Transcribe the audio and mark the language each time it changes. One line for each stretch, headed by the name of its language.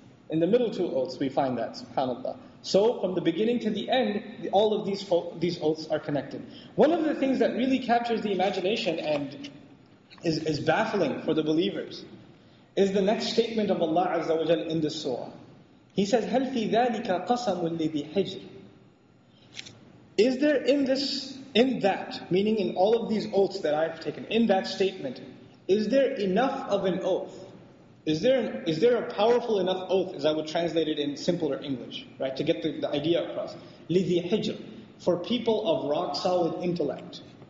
English: In the middle two oaths we find that, subhanAllah. So from the beginning to the end, all of these oaths are connected. One of the things that really captures the imagination and is baffling for the believers is the next statement of Allah Azza wa Jal in this surah. He says,
Arabic: هَلْ فِي ذَلِكَ قَسَمٌ لِّبِحِجْرِ.
English: Is there in that, meaning in all of these oaths that I've taken, in that statement, is there enough of an oath? Is there a powerful enough oath, as I would translate it in simpler English, right, to get the idea across?
Arabic: لِذِي حِجْر,
English: for people of rock-solid intellect.